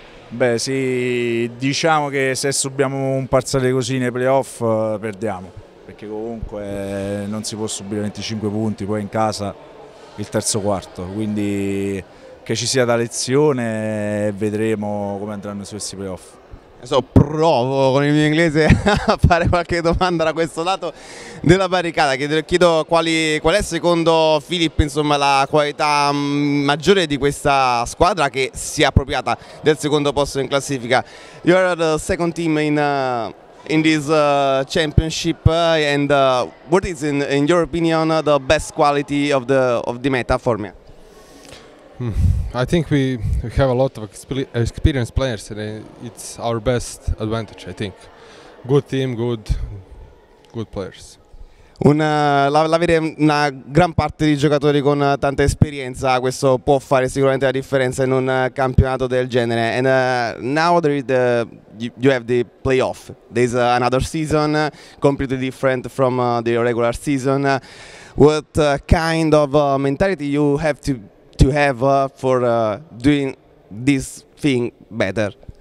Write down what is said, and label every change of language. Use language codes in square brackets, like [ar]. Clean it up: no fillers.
[it] Beh sì, diciamo che se subiamo un parziale così nei playoff perdiamo, perché comunque non si può subire 25 punti poi in casa il terzo quarto, quindi che ci sia da lezione, vedremo come andranno su questi playoff. Adesso provo con il mio inglese a fare qualche domanda da questo lato della barricata, chiedo qual è secondo Filippo, insomma, la qualità maggiore di questa squadra che si è appropriata del secondo posto in classifica. [en] You are the second team in this championship and what is in your opinion the best quality of the Meta Formia? I think we have a lot of experienced players and it's our best advantage, I think. Good team, good players. [it] L'avere una gran parte di giocatori con tanta esperienza, questo può fare sicuramente la differenza in un campionato del genere. [en] And now there is the you have the playoff. There's another season completely different from the regular season. What kind of mentality you have to have for doing this thing better?